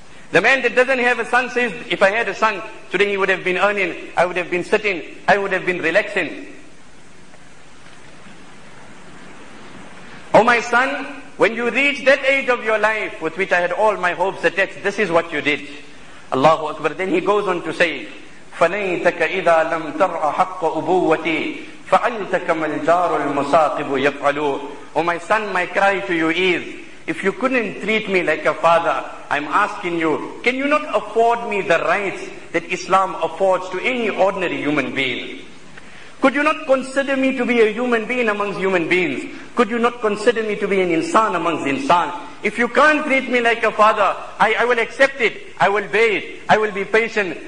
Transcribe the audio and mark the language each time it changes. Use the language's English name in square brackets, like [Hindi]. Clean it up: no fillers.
[English] The man that doesn't have a son says, if I had a son, today he would have been earning, I would have been sitting, I would have been relaxing. Oh my son, when you reach that age of your life with which I had all my hopes attached, this is what you did. Allahu Akbar. Then he goes on to say, [Arabic] فَلَيْتَكَ إِذَا لَمْ تَرْعَ حَقَّ أُبُوَّتِي فَأَنْتَكَ مَا الْجَارُ الْمُسَاقِبُ يَفْعَلُ. [English] Oh my son, my cry to you is, if you couldn't treat me like a father, I'm asking you, can you not afford me the rights that Islam affords to any ordinary human being? Could you not consider me to be a human being amongst human beings? Could you not consider me to be an insan amongst insan? If you can't treat me like a father, I will accept it. I will wait. I will be patient.